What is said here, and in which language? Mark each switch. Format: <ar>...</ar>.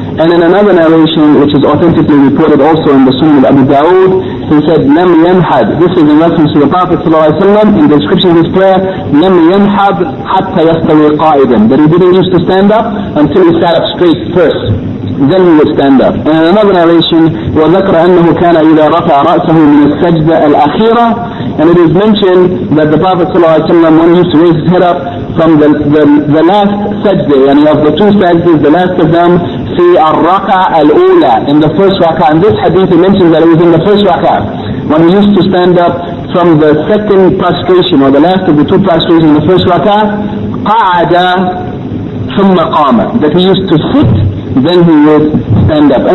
<en>And in another narration, which is authentically reported also in the Sunnah of Abu Dawood, he said,</en> <ar>لَمْ يَنْحَدْ.</ar> <en>This is in reference to the Prophet صلى الله عليه وسلم, in the description of his prayer,</en> <ar>لَمْ يَنْحَدْ حَتَّى يَسْتَوِي قَائِدًا.</ar> <en>That he didn't used to stand up until he sat up straight first. then he would stand up. And in another narration,</en> <ar>وَذَكْرَ أَنَّهُ كَانَ إِذَا رَفَعَ رَأْسَهُ مِنَ السَّجْدَةِ الْأَخِيرَةِ.</ar> <en>And it is mentioned that the Prophet ﷺ, when he used to raise his head up from the last sajda, and of the two sajdas, the last of them,</en> <ar>في الركعة الأولى,</ar> <en>in the first ركعة. And this hadith mentions that it was in the first ركعة, when he used to stand up from the second prostration, or the last of the two prostrations in the first ركعة,</en> <ar>قعد ثم قام,</ar> <en>that he used to sit, then he would stand up.</en>